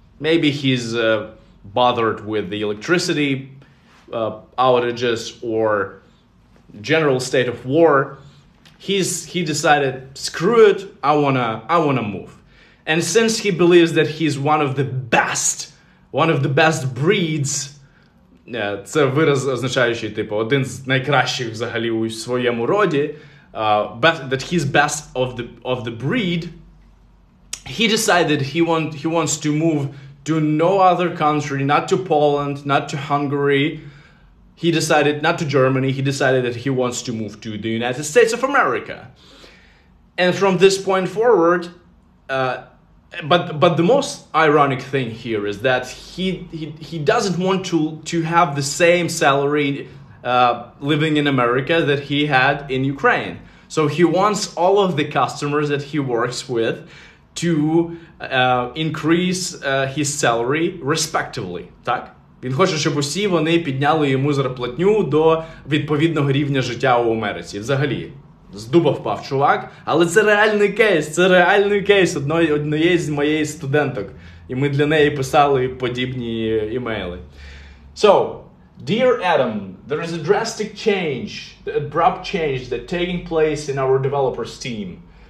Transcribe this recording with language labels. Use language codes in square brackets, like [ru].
[en] Maybe he's bothered with the electricity outages or general state of war. He decided, screw it, I wanna move. And since he believes that he's one of the best breeds, [uk] yeah, це вираз, означаючий типу один з найкращих взагалі у своєму роді, [en] that he's best of the breed, he decided he wants to move to no other country, not to Poland, not to Hungary. He decided not to Germany. He decided that he wants to move to the United States of America. And from this point forward, but the most ironic thing here is that he doesn't want to have the same salary living in America that he had in Ukraine. So he wants all of the customers that he works with to increase his salary respectively. [uk] Так? Він хоче, щоб усі вони підняли йому зарплатню до відповідного рівня життя у Америці. Взагалі, з дуба впав чувак. Але це реальний кейс однієї з моєї студенток. І ми для неї писали подібні імейли. [en] So, dear Adam, there is a drastic change, the abrupt change that taking place in our developers team.